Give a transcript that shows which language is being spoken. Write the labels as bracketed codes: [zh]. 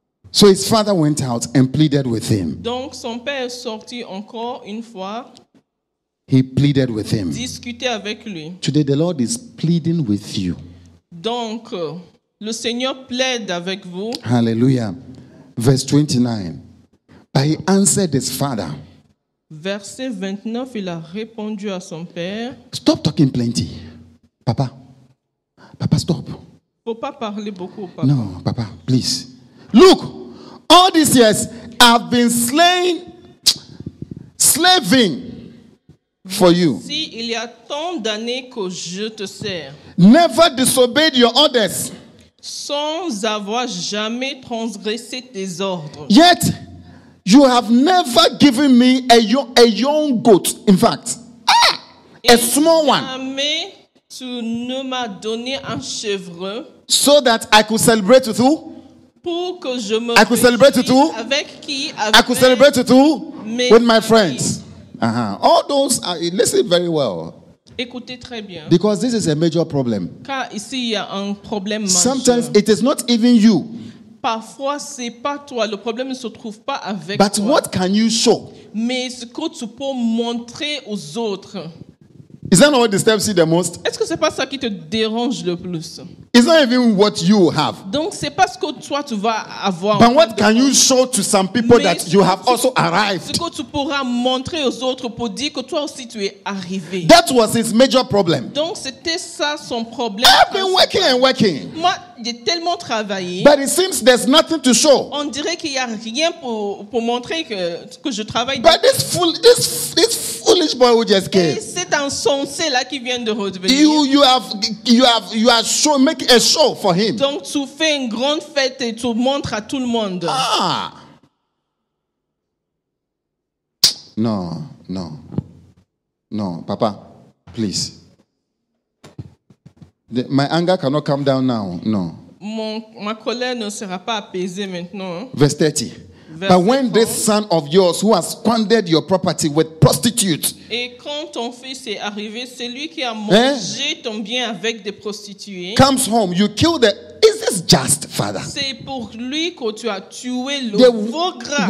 [en] So his father went out and pleaded with him. [fr] Donc son père est sorti encore une fois. [en] He pleaded with him. [fr] Discuter avec lui. [en] Today the Lord is pleading with you. [fr] Donc le Seigneur plaide avec vous. [en] Hallelujah. Verse 29. But he answered his father. [fr] Verset 29, il a répondu à son père. [en] Stop talking plenty. Papa. Papa, stop. [fr] Faut pas parler beaucoup, papa. [en] No, papa, please. Look, all these years I've been slaving. For you. [fr] Si, il y a tant d'années que je te sers. [en] Never disobeyed your orders. [fr] Sans avoir jamais transgressé tes ordres. [en] Yet, you have never given me a young goat. In fact, a small one. [fr] Jamais tu ne m'as donné un chevreux. [en] So that I could celebrate with who? [fr] Pour que je me [en] I could celebrate with who? [fr] Avec qui? [en] Avec I could celebrate with who? With my friends. Uh-huh. All those are, listen very well. [fr] Écoutez très bien. [en] Because this is a major problem. [fr] Car ici, il y a un problème majeur. [en] Sometimes it is not even you. [fr] Parfois, c'est pas toi. Le problème ne se trouve pas avec [en] but [fr] toi. [en] But what can you show? [fr] Mais ce que tu peux montrer aux autres. [en] Is that not what disturbs you the most? [fr] Est-ce que c'est pas ça qui te dérange le plus? [en] It's not even what you have. [fr] Donc c'est pas ce que toi tu vas avoir. [en] But what can you show to some people that you have also arrived? [fr] Ce que tu pourras montrer aux autres pour dire que toi aussi tu es arrivé. [en] That was his major problem. [fr] Donc c'était ça son problème. [en] I've been working and working. [fr] Moi j'ai tellement travaillé. [en] But it seems there's nothing to show. [fr] On dirait qu'il y a rien pour montrer que je travaille. [en] But this foolish boy who just came. [fr] Et c'est un sensé là qui vient de revenir. [en] You are showing. Make a show for him. [fr] Donc tu fais une grande fête et tu montres à tout le monde. Ah. Non, non. Non, papa, please. [en] My anger cannot come down now. No. [fr] Ma colère ne sera pas apaisée maintenant. [en] Verse 30. But when this son of yours who has squandered your property with prostitutes. [fr] Et quand ton fils est arrivé, c'est lui qui a mangé ton bien avec des prostituées. [en] Comes home, you kill the. Is this just, father? [fr] C'est pour lui que tu as tué le faux gras.